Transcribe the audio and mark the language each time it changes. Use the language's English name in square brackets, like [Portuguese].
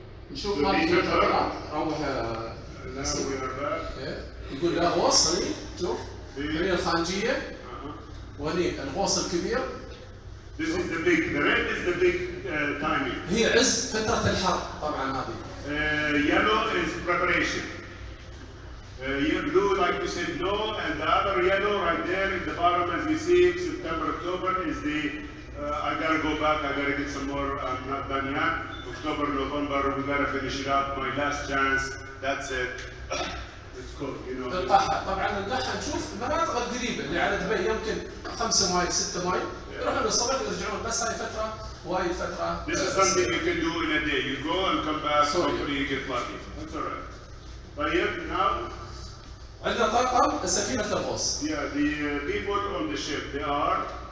[Arabic] نشوف ما في فترات روح يقول لا غوص هني شوف هني الخانجية وهني الغوص الكبير [English] This is the big, the red is the big timing. [Arabic] هي عز فترة الحرب طبعا هذه. [English] Yellow is preparation. You blue like you said no and the other yellow right there in the bottom as you see September, October is the I gotta go back, I gotta get some more, I'm not done yet. October, November, we gotta finish it up, my last chance, that's it. Let's go, you know. [Arabic] القاحة طبعا القاحة نشوف مناطق قريبة اللي على دبي يمكن 5 مايل 6 مايل يروحوا للصبح يرجعون بس هاي فترة وهاي فترة. [English] This is something you can do in a day. You go and come back, hopefully you get lucky. That's alright. [Arabic] طيب [English] now [Arabic] عندنا طاقم السفينة الغوص. [English] Yeah, the people on the ship, they are